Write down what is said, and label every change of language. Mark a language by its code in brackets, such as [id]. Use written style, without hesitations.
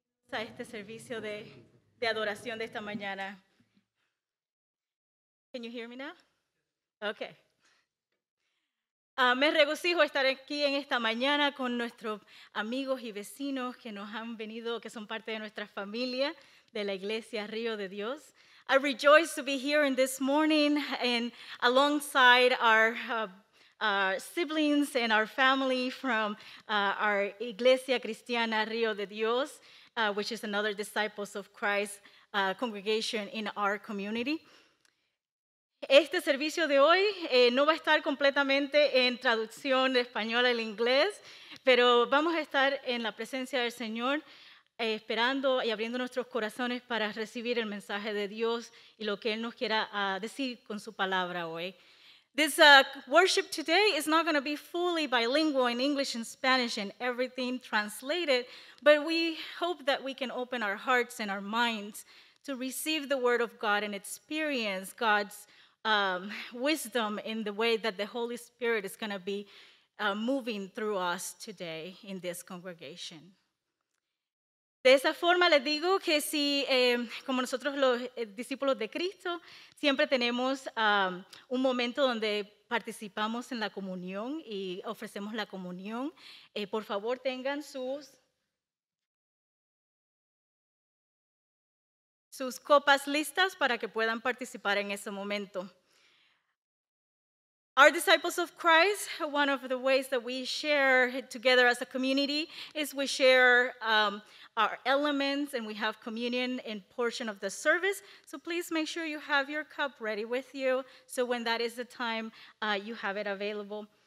[es] A este servicio de adoración de esta mañana. [en] Can you hear me now? Okay. [es] Me regocijo estar aquí en esta mañana con nuestros amigos y vecinos que nos han venido, que son parte de nuestra familia de la iglesia Río de Dios. [en] I rejoice to be here in this morning and alongside our siblings and our family from our iglesia cristiana Río de Dios, which is another Disciples of Christ congregation in our community. [es] Este servicio de hoy no va a estar completamente en traducción de español al inglés, pero vamos a estar en la presencia del Señor esperando y abriendo nuestros corazones para recibir el mensaje de Dios y lo que Él nos quiera decir con su palabra hoy. [en] This worship today is not going to be fully bilingual in English and Spanish and everything translated, but we hope that we can open our hearts and our minds to receive the Word of God and experience God's wisdom in the way that the Holy Spirit is going to be moving through us today in this congregation. [es] De esa forma les digo que si, como nosotros los discípulos de Cristo, siempre tenemos un momento donde participamos en la comunión y ofrecemos la comunión, por favor tengan sus copas listas para que puedan participar en ese momento. [en] Our Disciples of Christ, one of the ways that we share together as a community is we share our elements and we have communion in portion of the service. So please make sure you have your cup ready with you so when that is the time, you have it available.